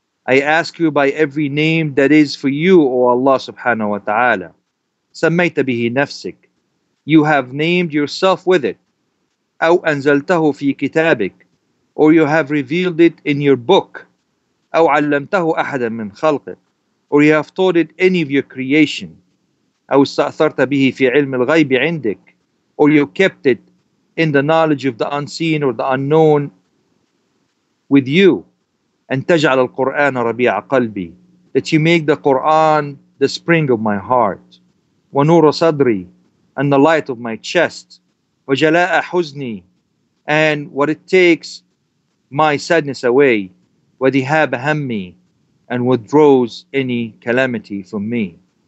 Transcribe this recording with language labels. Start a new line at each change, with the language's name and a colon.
English: I ask you by every name that is for you, O Allah subhanahu wa ta'ala.
Arabic: سميت به نفسك.
English: You have named yourself with it.
Arabic: أو أنزلته في كتابك.
English: Or you have revealed it in your book.
Arabic: أو علمته أحدا من خلقك.
English: Or you have taught it any of your creation.
Arabic: أو استأثرت به في علم الغيب عندك.
English: Or you kept it in the knowledge of the unseen or the unknown with you.
Arabic: أن تجعل القرآن ربيع قلبي.
English: That you make the Quran the spring of my heart.
Arabic: ونور صدري.
English: And the light of my chest.
Arabic: وجلاء حزني.
English: And what it takes my sadness away.
Arabic: وذهاب همي.
English: And withdraws any calamity from me.